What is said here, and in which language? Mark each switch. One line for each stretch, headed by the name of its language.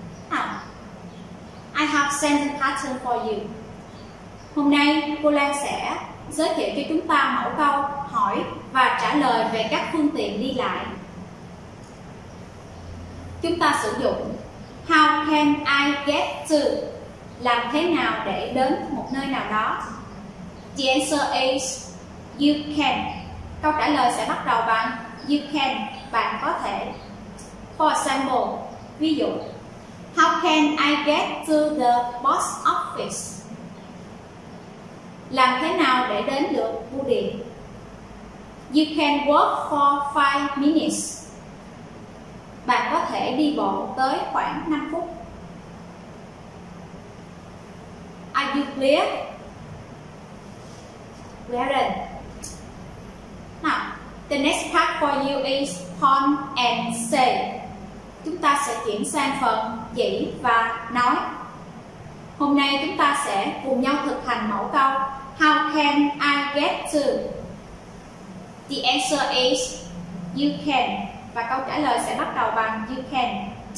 English: Now, I have sent a pattern for you.
Vietnamese: Hôm nay, cô Lan sẽ giới thiệu cho chúng ta mẫu câu hỏi và trả lời về các phương tiện đi lại. Chúng ta sử dụng
English: How can I get to?
Vietnamese: Làm thế nào để đến một nơi nào đó?
English: The answer is You can.
Vietnamese: Câu trả lời sẽ bắt đầu bằng You can. Bạn có thể.
English: For example,
Vietnamese: ví dụ
English: How can I get to the post office?
Vietnamese: Làm thế nào để đến được bưu điện?
English: You can walk for 5 minutes.
Vietnamese: Bạn có thể đi bộ tới khoảng 5 phút.
English: Are you clear? Well done. Now, the next part for you is point and say.
Vietnamese: Chúng ta sẽ chuyển sang phần chỉ và nói. Hôm nay chúng ta sẽ cùng nhau thực hành mẫu câu
English: How can I get to? The answer is You can.
Vietnamese: Và câu trả lời sẽ bắt đầu bằng You can.